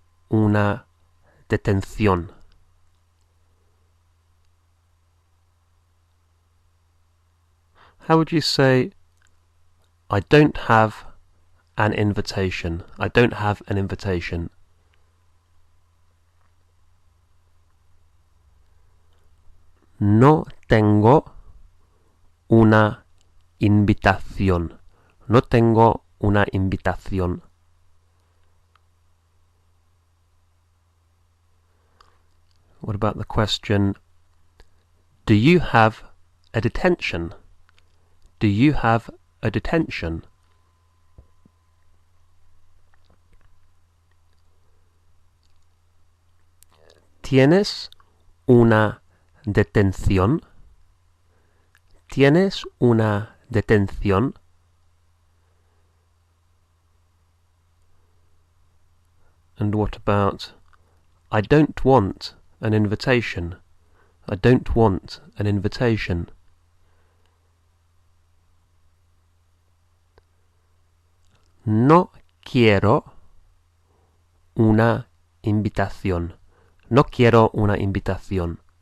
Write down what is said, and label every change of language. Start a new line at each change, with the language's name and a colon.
Spanish: Una detención.
English: How would you say, I don't have an invitation? I don't have an invitation.
Spanish: No tengo una invitación. No tengo una invitación.
English: What about the question, do you have a detention? Do you have a detention?
Spanish: ¿Tienes una detención? ¿Tienes una detención?
English: And what about, I don't want an invitation. I don't want an invitation.
Spanish: No quiero una invitación. No quiero una invitación.